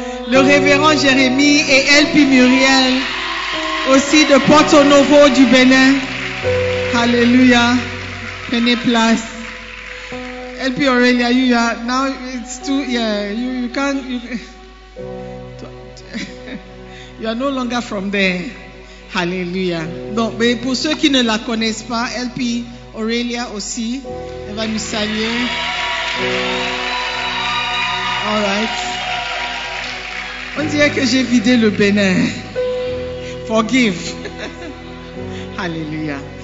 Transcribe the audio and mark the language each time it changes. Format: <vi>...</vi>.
<fr>Le révérend Jérémy et LP Muriel, aussi de Porto Novo du Bénin. Alléluia. Prenez place.</fr> <en>LP Aurelia, you are now it's too yeah you can't. You are no longer from there. Hallelujah.</en> <fr>Donc, mais pour ceux qui ne la connaissent pas, LP Aurelia aussi, elle va nous saluer.</fr> <en>All right.</en> <fr>On dirait que j'ai vidé le Bénin.</fr> <en>Forgive.</en> <fr>Hallelujah.</fr>